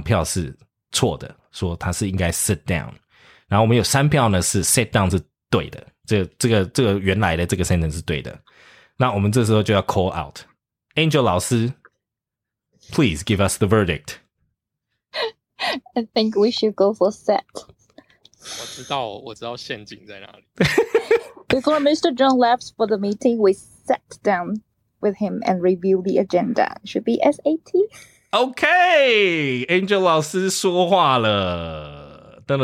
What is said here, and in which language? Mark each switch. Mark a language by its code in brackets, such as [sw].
[zh] 这个有点难，现在我们五位通勤家族有两票是错的，说他是应该 sit down。然后我们有三票呢是 sit down 是对的，这个原来的这个 sentence 是对的。那我们这时候就要 call out Angel 老师 ， [en] please give us the verdict. I think we should go for set. [zh] 我知道陷阱在哪里。 [en] Before Mr. John left for the meeting, we sat down with him and reviewed the agenda. Should be SAT. [zh] Okay, Angel 老师说话了。